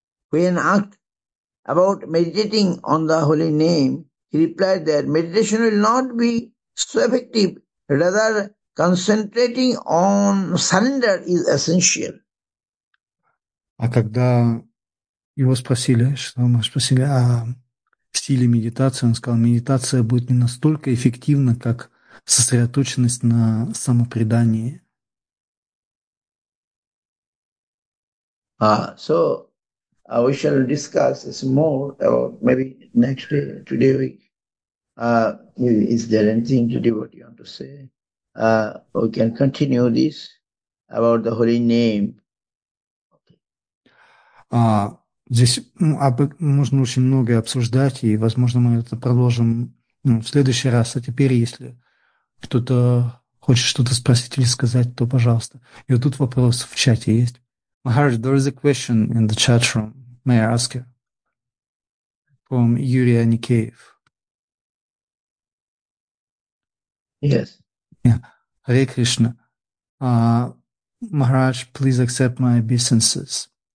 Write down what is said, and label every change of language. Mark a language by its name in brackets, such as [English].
[English] When asked about meditating on the holy name, he replied that meditation will not be so effective, rather concentrating on surrender is essential. [Russian] А когда его спросили, что мы спросили о стиле медитации, он сказал, медитация будет не настолько эффективна, как сосредоточенность на самопредании. [English] We shall discuss this more about maybe next day, today week. Is there anything to devotee want to say? We can continue this about the holy name. [Russian] Здесь можно очень многое обсуждать, и, возможно, мы это продолжим в следующий раз. А теперь, если кто-то хочет что-то спросить или сказать, то, пожалуйста. И вот тут вопрос в чате есть. [English] Maharaj, there is a question in the chat room. May I ask you? From Yuriy Anikeyev. Yes. Yeah. Hare Krishna. Maharaj, please accept my obeisances.